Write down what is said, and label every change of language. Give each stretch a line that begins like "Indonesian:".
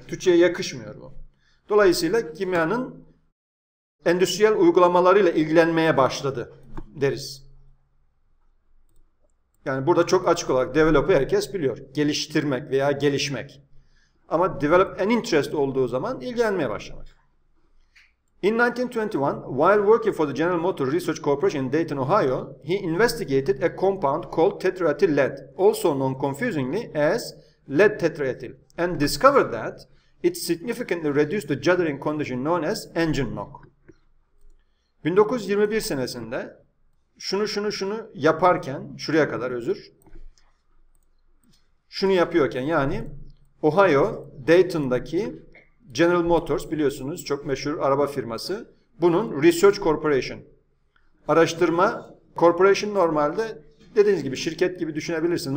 Turkish: Türkçe'ye yakışmıyor bu. Dolayısıyla kimyanın endüstriyel uygulamalarıyla ilgilenmeye başladı deriz. Yani burada çok açık olarak develop'ı herkes biliyor. Geliştirmek veya gelişmek. Ama
English: develop an interest
Turkish: olduğu zaman ilgilenmeye başlamak.
English: In 1921, while working for the General Motors Research Corporation in Dayton, Ohio, he investigated a compound called tetraethyl lead, also known confusingly as lead tetraethyl, and discovered that it significantly reduced the juddering condition known as engine knock.
Turkish: 1921 senesinde şunu şunu şunu yaparken, şuraya kadar özür, şunu yapıyorken yani Ohio, Dayton'daki General Motors biliyorsunuz çok meşhur araba firması. Bunun Research Corporation, araştırma corporation normalde dediğiniz gibi şirket gibi düşünebilirsiniz.